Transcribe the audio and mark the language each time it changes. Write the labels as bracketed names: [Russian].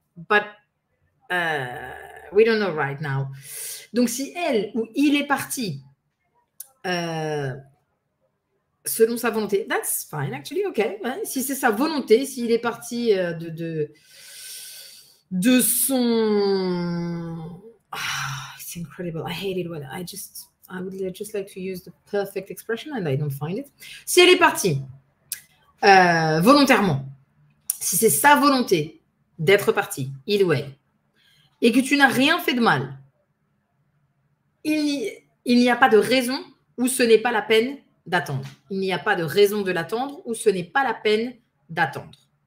[English] But we don't know right now. [French] Donc, si elle ou il est parti selon sa volonté, [English] that's fine, actually, OK. [French] Hein? Si c'est sa volonté, s'il est parti de son. [English] Ah, it's incredible. I hate it when I would just like to use the perfect expression and I don't find it. [French] Si elle est partie. Volontairement, si c'est sa volonté d'être parti, il ou elle, et que tu n'as rien fait de mal, il n'y a pas de raison où ce n'est pas la peine d'attendre. Il n'y a pas de raison de l'attendre où ce n'est pas la peine d'attendre.